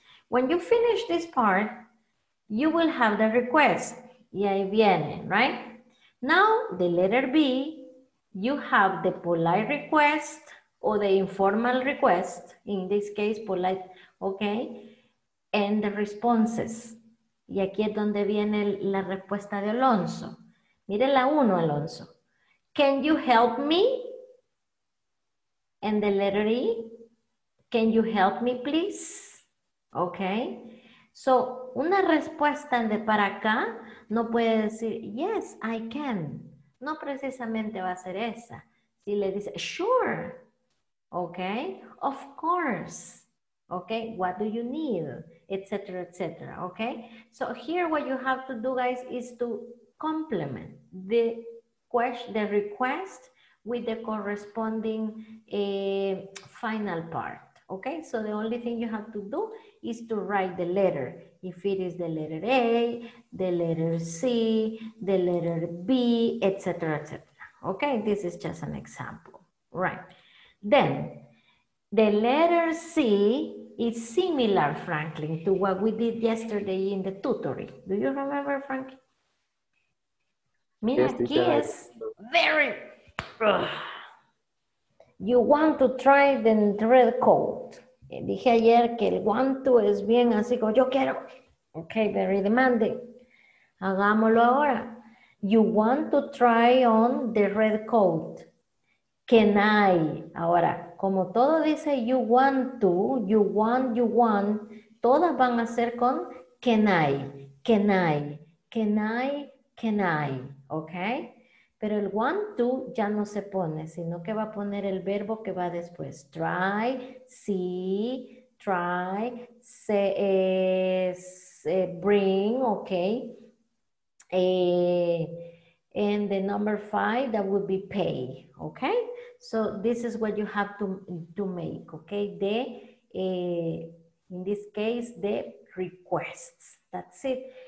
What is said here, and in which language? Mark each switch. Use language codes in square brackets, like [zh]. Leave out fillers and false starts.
[en] When you finish this part, you will have the request, [es] y ahí viene, [en] right? Now, the letter B, you have the polite request or the informal request, in this case, polite, okay? And the responses. [es] Y aquí es donde viene la respuesta de Alonso. Mire la uno, [en] Alonso. Can you help me? And the letter E. Can you help me, please? Okay? [es] So, una respuesta de para acá no puede decir, [en] yes, I can. [es] No precisamente va a ser esa. Si le dice, [en] sure, okay, of course, okay, what do you need, etc., etc., okay? So here what you have to do, guys, is to complement the question, the request with the corresponding final part, okay? So the only thing you have to do is to write the letter. If it is the letter A, the letter C, the letter B, etc., etc. Okay, this is just an example, right? Then, the letter C is similar, Franklin, to what we did yesterday in the tutorial. Do you remember, Franklin? [es] Mira, aquí es [en] very... You want to try the red coat. [es] Dije ayer que el guanto es bien así como yo quiero... [en] Okay, very demanding. [es] Hagámoslo ahora. [en] You want to try on the red coat. Can I? [es] Ahora, como todo dice you want to, you want, todas van a ser con [en] can I, can I, can I, can I. Okay? [es] Pero el want to ya no se pone, sino que va a poner el verbo que va después. [en] Try, see, try, say, bring, okay, and the number five, that would be pay, okay? So this is what you have to make, okay? The, in this case, the requests, that's it.